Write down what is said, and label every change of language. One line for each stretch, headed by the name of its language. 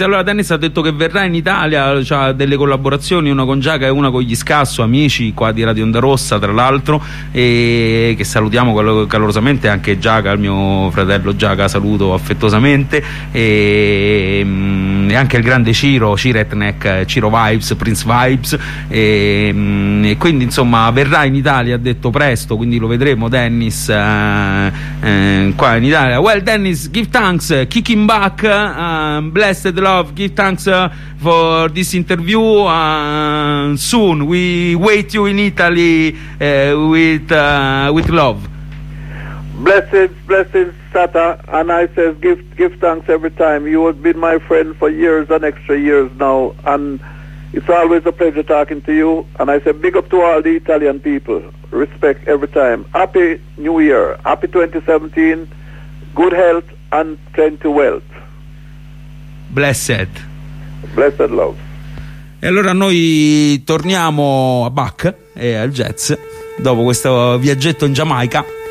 Italian: Allora Dennis ha detto che verrà in Italia, cioè delle collaborazioni, una con Giaca e una con gli Scasso, amici qua di Radio Onda Rossa tra l'altro, e che salutiamo calorosamente, anche Giaca, il mio fratello Giaca, saluto affettuosamente, e anche il grande Ciro, Ciretnek, Ciro Vibes, Prince Vibes, e quindi insomma verrà in Italia, ha detto, presto, quindi lo vedremo Dennis qua in Italia.
English: Well Dennis, give thanks, kicking back, blessed love, give thanks for this interview, and soon we wait you in Italy with love. Blessings Sata, and I says give thanks every time. You have been my friend for years and extra years now, and it's always a pleasure talking to you, and I say big up to all the Italian people, respect every time. Happy New Year, happy 2017, good health and plenty wealth. Blessed. Blessed love.
Italian: E allora noi torniamo a Bach e al jazz dopo questo viaggetto in Giamaica.